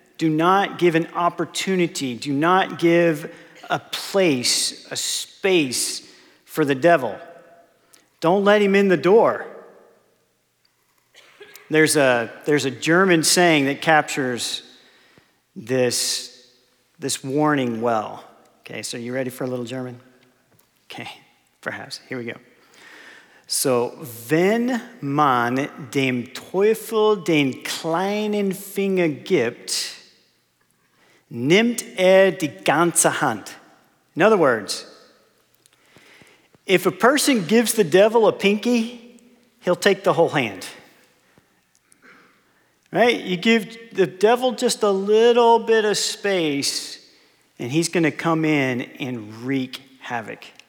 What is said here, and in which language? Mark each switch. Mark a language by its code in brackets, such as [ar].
[en] Do not give an opportunity, do not give a place, a space for the devil. Don't let him in the door. There's a German saying that captures this warning well. Okay, so you ready for a little German? Okay, perhaps. Here we go. [de] So, wenn man dem Teufel den kleinen Finger gibt, nimmt die ganze Hand. [en] In other words, if a person gives the devil a pinky, he'll take the whole hand. Right? You give the devil just a little bit of space, and he's going to come in and wreak havoc.